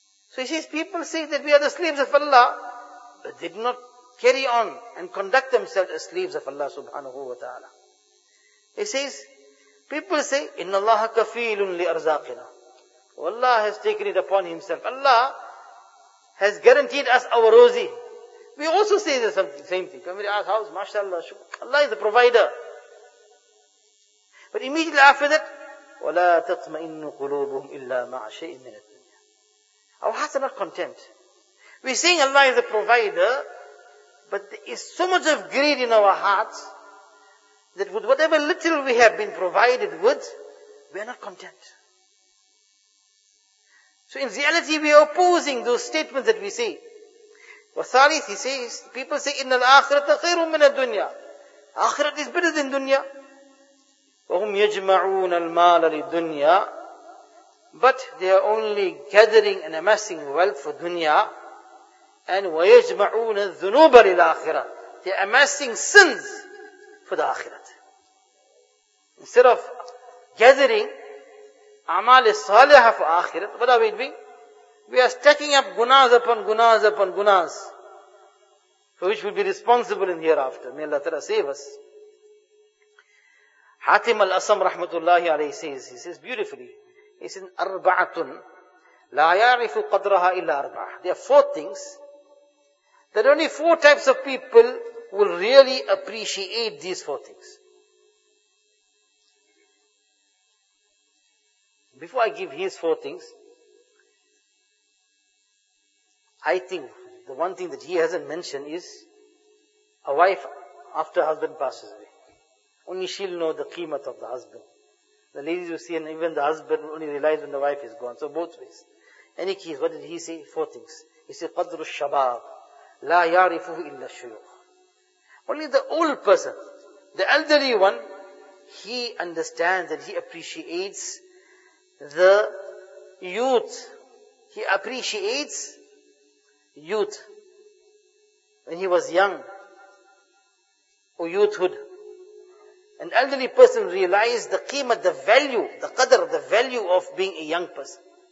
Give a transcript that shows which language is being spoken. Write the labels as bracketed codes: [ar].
[en] So he says, people say that we are the slaves of Allah. But they do not carry on and conduct themselves as slaves of Allah subhanahu wa ta'ala. He says, people say, [ar] إِنَّ اللَّهَ كَفِيلٌ لِأَرْزَاقِنَا. [en] Allah has taken it upon Himself. Allah has guaranteed us our rozi. We also say the same thing. Come, we ask, how's mashallah, shukr. Allah is the provider. But immediately after that, [ar] وَلَا تَطْمَئِنُّ قُلُوبُهُمْ إِلَّا مَعَ شَيْءٍ مِنَ الدُّنْيَا. [en] Our hearts are not content. We're saying Allah is the provider, but there is so much of greed in our hearts that with whatever little we have been provided with, we are not content. So in reality, we are opposing those statements that we say. Wasalith, he says, people say, [ar] إِنَّ الْآخِرَةَ خَيْرٌ مِنَ الدُّنْيَا. [en] Akhirat is better than dunya. [ar] وَهُمْ يَجْمَعُونَ الْمَالَ لِلدُّنْيَا. [en] But they are only gathering and amassing wealth for dunya. [ar] And وَيَجْمَعُونَ الذُّنُوبَ لِلْآخِرَةِ. [en] They are amassing sins for the akhirat. Instead of gathering amal salih of akhirat, what are we doing? We are stacking up gunas upon gunas upon gunas, for which we'll be responsible in hereafter. May Allah Ta'ala save us. Hatim al-Asam rahmatullahi alayhi says, he says beautifully, he says, [ar] arba'atun la ya'rifu qadraha illa arba'ah. [en] There are four things that only four types of people will really appreciate. These four things. Before I give his four things, I think the one thing that he hasn't mentioned is a wife after husband passes away. Only she'll know the qeemat of the husband. The ladies will see, and even the husband only realize when the wife is gone. So both ways. Any case, what did he say? Four things. He said, [ar] قَدْرُ الشَّبَابُ لَا يَعْرِفُهُ إِلَّا الشُّيُوخُ. [en] Only the old person, the elderly one, he understands and he appreciates the youth. He appreciates youth. When he was young, or youthhood, an elderly person realized the qeemah, the value, the qadr, the value of being a young person.